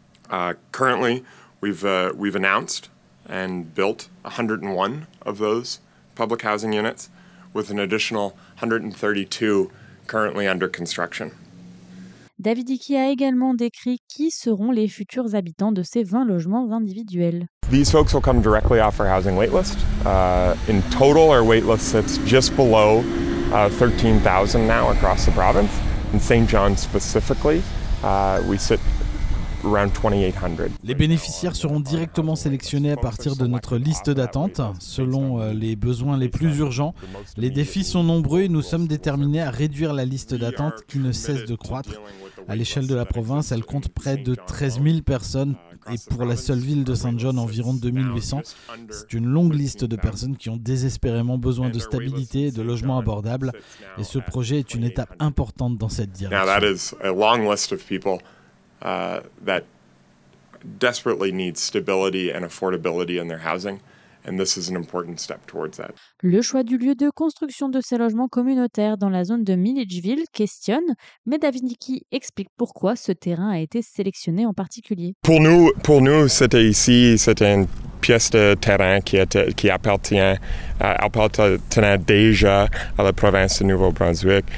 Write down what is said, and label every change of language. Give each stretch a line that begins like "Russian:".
English: Currently, we've announced and built 101 of those public housing units with an additional 132 currently under construction.
French: David Hickey a également décrit qui seront les futurs habitants de ces 20 logements individuels.
English: These folks will come directly off our housing waitlist. In total, our waitlist sits just below 13,000 now across the province. In St. John specifically, we sit around 2800.
French: Les bénéficiaires seront directement sélectionnés à partir de notre liste d'attente, selon les besoins les plus urgents. Les défis sont nombreux et nous sommes déterminés à réduire la liste d'attente qui ne cesse de croître. À l'échelle de la province, elle compte près de 13 000 personnes et pour la seule ville de Saint-Jean, environ 2800. C'est une longue liste de personnes qui ont désespérément besoin de stabilité et de logements abordables. Et ce projet est une étape importante dans cette direction.
English: That desperately needs stability and affordability in their housing, and this is an important step towards that.
French: Le choix du lieu de construction de ces logements communautaires dans la zone de Milledgeville questionne, mais David Hickey explique pourquoi ce terrain a été sélectionné en particulier. Pour nous, c'était ici, c'était une pièce de terrain qui appartenait déjà à la province de Nouveau-Brunswick.